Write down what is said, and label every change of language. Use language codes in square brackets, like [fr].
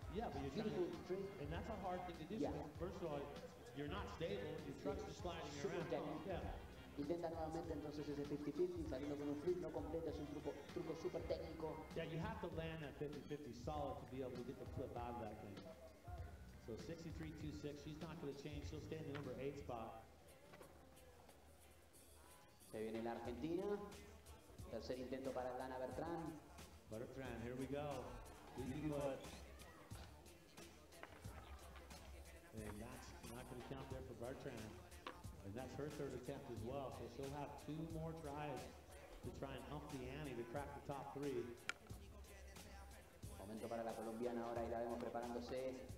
[en] Yeah, but you're trying to, and that's a hard thing to do. Yeah. First of all, you're not stable, your truck's just sliding around. Oh, yeah. [es] Intenta nuevamente entonces ese 50-50, saliendo con un flip, no completa, es un truco super técnico. [en] Yeah, you have to land that 50-50 solid to be able to get the flip out of that thing. So 63.26, she's not going to change, she'll stay in the number 8 spot. [es] Se viene la Argentina. Tercer intento para Dana Bertrán. [en] Bertrán, here we go. Easy foot. And that's not going to count there for Bertrán. And that's her third attempt as well. So she'll have two more tries to try and hump the ante to crack the top three. [es] Momento para la colombiana ahora y la vemos preparándose.